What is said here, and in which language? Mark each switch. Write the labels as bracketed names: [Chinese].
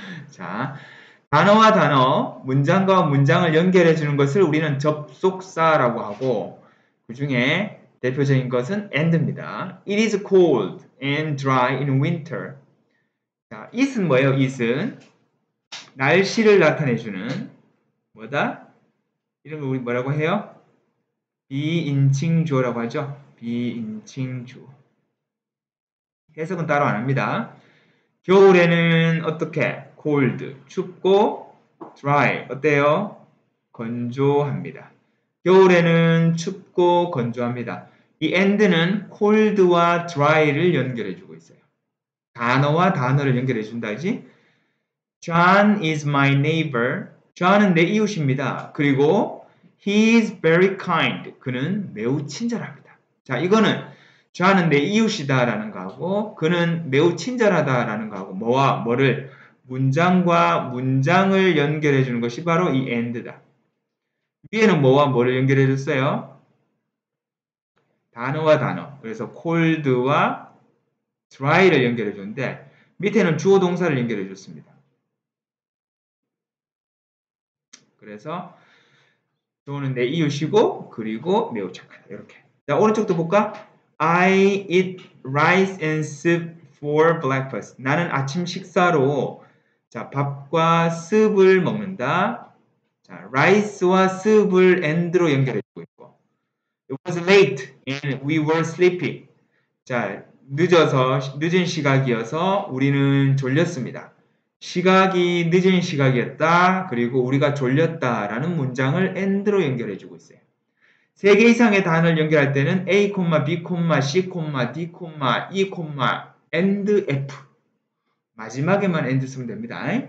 [Korean] 자, 단어와 단어, 문장과 문장을 연결해 주는 것을 우리는 접속사라고 하고, 그 중에 대표적인 것은 and입니다. [English] It is cold and dry in winter. [Korean] 자, is은 뭐예요? is은 날씨를 나타내주는 뭐다? 이름을 우리 뭐라고 해요? 비인칭주어라고 하죠. 비인칭주어. 해석은 따로 안 합니다. 겨울에는 어떻게? cold, 춥고 dry, 어때요? 건조합니다. 겨울에는 춥고 건조합니다. 이 and는 cold와 dry를 연결해주고 있어요. 단어와 단어를 연결해 준다지. [English] John is my neighbor. [Korean] John은 내 이웃입니다. 그리고 [English] he is very kind. [Korean] 그는 매우 친절합니다. 자, 이거는 John은 내 이웃이다라는 거하고 그는 매우 친절하다라는 거하고 뭐와 뭐를 문장과 문장을 연결해 주는 것이 바로 이 and다. 위에는 뭐와 뭐를 연결해 줬어요? 단어와 단어. 그래서 cold와 dry를 연결해 줬는데 밑에는 주어 동사를 연결해 줬습니다. 그래서 저는 내 이웃이고 그리고 매우 착하다. 이렇게. 자, 오른쪽도 볼까? [English] I eat rice and soup for breakfast. [Korean] 나는 아침 식사로 자, 밥과 soup을 먹는다. 자, rice와 soup을 and로 연결해 주고 있고. [English] It was late and we were sleepy. [Korean] 자, 늦어서 늦은 시각이어서 우리는 졸렸습니다. 시각이 늦은 시각이었다. 그리고 우리가 졸렸다라는 문장을 and로 연결해 주고 있어요. 세 개 이상의 단어를 연결할 때는 a, b, c, d, e, and, f 마지막에만 and 쓰면 됩니다.